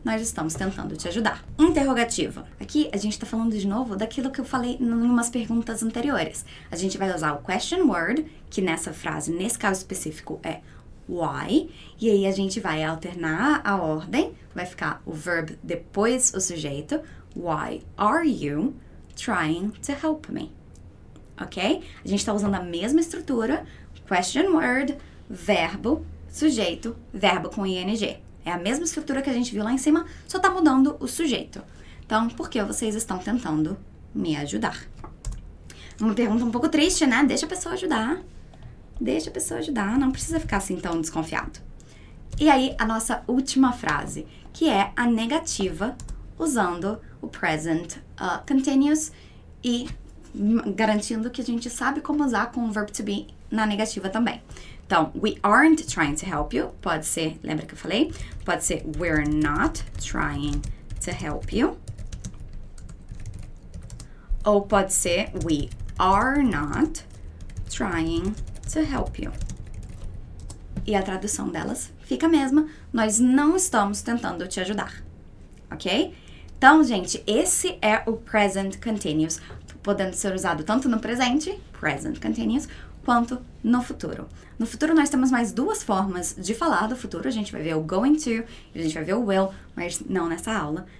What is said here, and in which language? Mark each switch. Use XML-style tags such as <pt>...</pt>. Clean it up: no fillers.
<pt>Nós estamos tentando te ajudar. Interrogativa. Aqui a gente está falando de novo daquilo que eu falei em umas perguntas anteriores. A gente vai usar o question word, que nessa frase, nesse caso específico, é why. E aí a gente vai alternar a ordem. Vai ficar o verb depois o sujeito.</pt> <en>Why are you trying to help me?</en> <pt>Ok? A gente está usando a mesma estrutura: question word, verbo, sujeito, verbo com ing. É a mesma estrutura que a gente viu lá em cima, só tá mudando o sujeito. Então, por que vocês estão tentando me ajudar? Uma pergunta um pouco triste, né? Deixa a pessoa ajudar. Deixa a pessoa ajudar, não precisa ficar assim tão desconfiado. E aí, a nossa última frase, que é a negativa, usando o present continuous e garantindo que a gente sabe como usar com o verb to be na negativa também. Então,</pt> <en>we aren't trying to help you,</en> <pt>pode ser, lembra que eu falei? Pode ser,</pt> <en>we're not trying to help you.</en> <pt>Ou pode ser,</pt> <en>we are not trying to help you.</en> <pt>E a tradução delas fica a mesma, nós não estamos tentando te ajudar, ok? Então, gente, esse é o present continuous, podendo ser usado tanto no presente, present continuous, quanto no futuro. No futuro, nós temos mais duas formas de falar do futuro. A gente vai ver o going to, a gente vai ver o will, mas não nessa aula.</pt>